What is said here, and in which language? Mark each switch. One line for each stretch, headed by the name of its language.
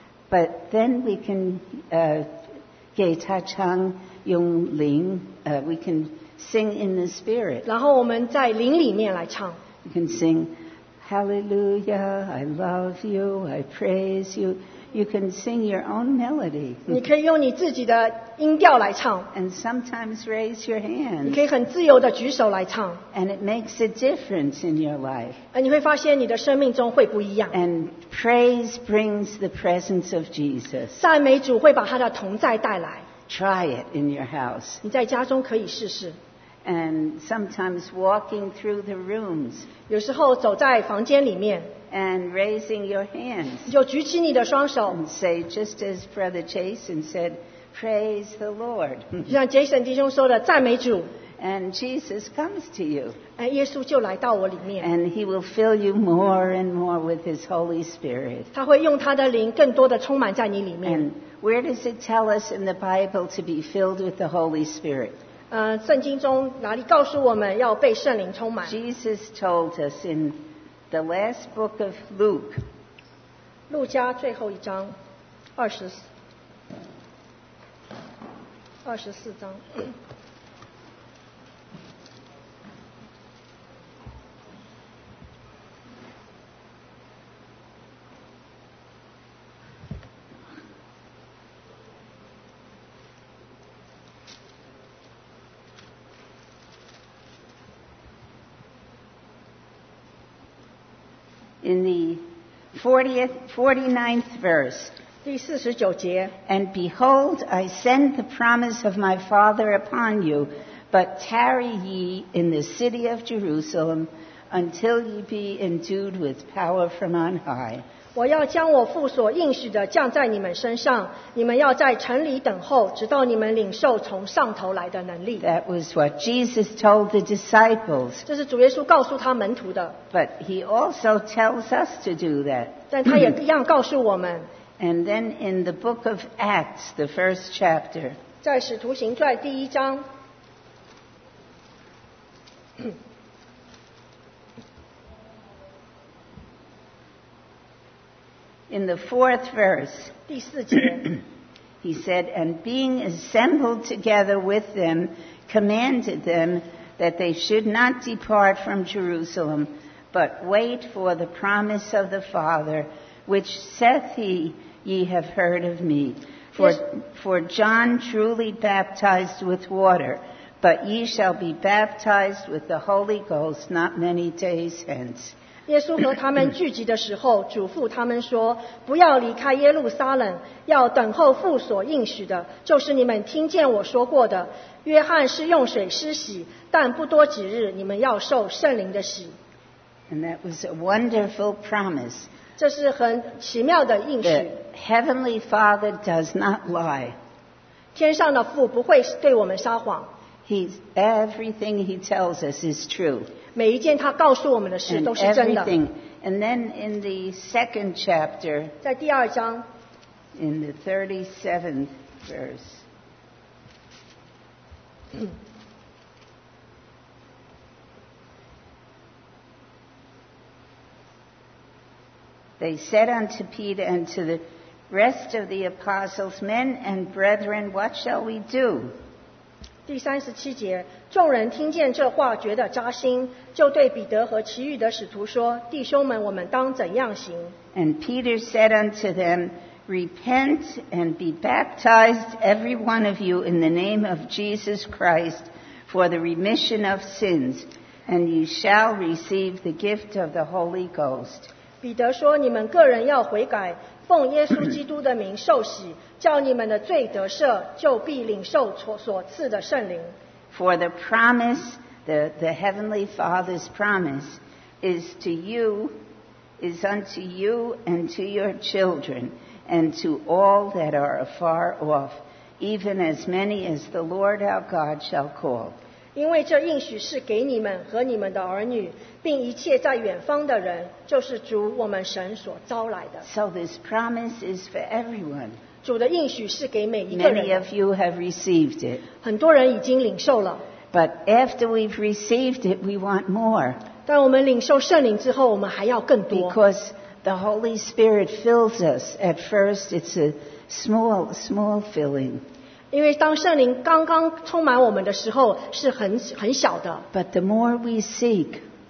English: but then we can
Chinese: 给他唱用灵
English: we can sing in the spirit
Chinese: 然后我们在灵里面来唱
English: we can sing Hallelujah, I love you, I praise youYou can sing your own melody.
Chinese: 你可以用你自己的音调来唱。
English: And sometimes raise your hand.
Chinese: 你可以很自由的举手来唱。
English: And it makes a difference in your life.
Chinese: 你会发现你的生命中会不一样。
English: And praise brings the presence of Jesus.
Chinese: 赞美主会把他的同在带来。
English: Try it in your house.
Chinese: 你在家中可以试试。
English: And sometimes walking through the rooms.
Chinese: 有时候走在房间里面。
English: And raising your hands.
Chinese: 就举起你的双手。
English: And say, just as Brother Jason said, praise the Lord.
Chinese: 就像 Jason 弟兄说的，赞美主。
English: And Jesus comes to you.
Chinese: 耶稣就来到我里面。
English: And he will fill you more and more with his Holy Spirit.
Chinese: 他会用他的灵更多的充满在你里面。
English: And where does it tell us in the Bible to be filled with the Holy Spirit?
Chinese: 圣经中哪里告诉我们要被圣灵充满？
English: Jesus told us in The last book of Luke.
Chinese: 路加最后一章，二十四章。
English: In the 49th verse,
Chinese: 第四十九节
English: And behold, I send the promise of my Father upon you, but tarry ye in the city of Jerusalem until ye be endued with power from on high.
Chinese: 我要将我父所应许的降在你们身上，你们要在城里等候，直到你们领受从上头来的能力。
English: That was what Jesus told the disciples.
Chinese: 这是主耶稣告诉他门徒的。
English: But he also tells us to do that.
Chinese: 但他也一样告诉我们。
English: And then in the book of Acts, the first chapter.
Chinese: 在使徒行传第一章。
English: In the fourth verse,
Chinese: 第四节
English: he said, and being assembled together with them, commanded them that they should not depart from Jerusalem, but wait for the promise of the Father, which saith he, ye have heard of me. For John truly baptized with water, but ye shall be baptized with the Holy Ghost not many days hence.
Chinese: 耶稣和他们聚集的时候，嘱咐他们说，不要离开耶路撒冷，要等候父所应许的，就是你们听见我说过的，约翰是用水施洗，但不多几日，你们要受圣灵的洗。
English: And that was a wonderful promise.
Chinese: 这是很奇妙的应许。
English: The Heavenly Father does not lie.
Chinese: 天上的父不会对我们撒谎。
English: Everything he tells us is true.
Chinese: 每一件他告诉我们的事都是真的。
English: And then in the second chapter,
Chinese: 在第二章,
English: in the 37th verse, they said unto Peter and to the rest of the apostles, Men and brethren, what shall we do?
Chinese: 第三十七节，众人听见这话，觉得扎心，就对彼得和其余的使徒说：“弟兄们，我们当怎样行？”
English: And Peter said unto them, Repent and be baptized every one of you in the name of Jesus Christ for the remission of sins, and you shall receive the gift of the Holy Ghost.
Chinese: 彼得说：“你们个人要悔改，奉耶稣基督的名受洗。” 叫你们的罪得赦，就必领受所赐的圣灵。
English: For the promise, the Heavenly Father's promise is to you, is unto you and to your children, and to all that are afar off, even as many as the Lord our God shall call.
Chinese: 因为这应许是给你们和你们的儿女，并一切在远方的人，就是主我们神所招来的。
English: So this promise is for everyone.
Chinese: 主的应许是给每一个人。
English: Many of you have received it.
Chinese: 很多人已经领受了。
English: But after we've received it, we want more.
Chinese: 但我们领受圣灵之后，我们还要更多。
English: Because the Holy Spirit fills us. At first, it's a small, small filling.
Chinese: 因为当圣灵刚刚充满我们的时候，是很小的。
English: But the more we seek,